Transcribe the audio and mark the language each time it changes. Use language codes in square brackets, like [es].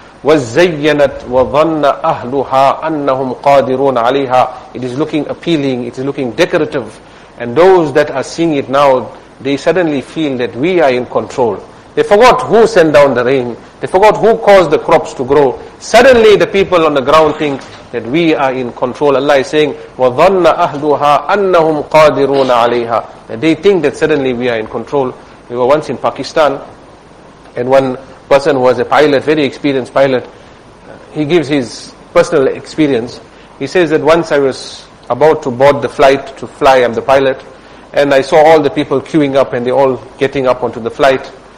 [ar] وَزَيَّنَتْ وَظَنَّ أَهْلُهَا أَنَّهُمْ قَادِرُونَ عَلَيْهَا. [en] It is looking appealing, it is looking decorative. And those that are seeing it now, they suddenly feel that we are in control. They forgot who sent down the rain. They forgot who caused the crops to grow. Suddenly the people on the ground think that we are in control. Allah is saying, [ar] وَظَنَّ أَهْلُهَا أَنَّهُمْ قَادِرُونَ عَلَيْهَا. [en] And they think that suddenly we are in control. We were once in Pakistan, and one person who was a pilot, very experienced pilot, he gives his personal experience. He says that once I was about to board the flight to fly, I'm the pilot, and I saw all the people queuing up and they all getting up onto the flight.